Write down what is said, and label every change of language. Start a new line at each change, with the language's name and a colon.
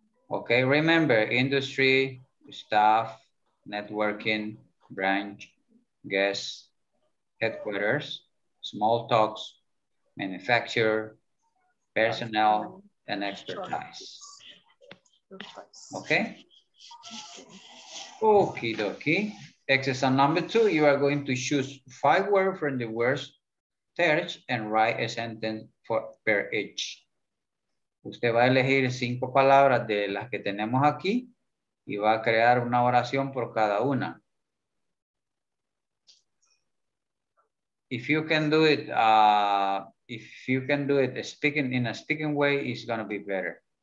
English: Okay, remember industry, staff, networking, branch, guests, headquarters, small talks, manufacturer, personnel, and expertise. Okay. Okie dokie. Exercise number two, you are going to choose 5 words from the words search and write a sentence per each.
Spanish: Usted va a elegir 5 palabras de las que tenemos aquí y va a crear una oración por cada una.
English: If you can do it, speaking in a speaking way, it's going to be better.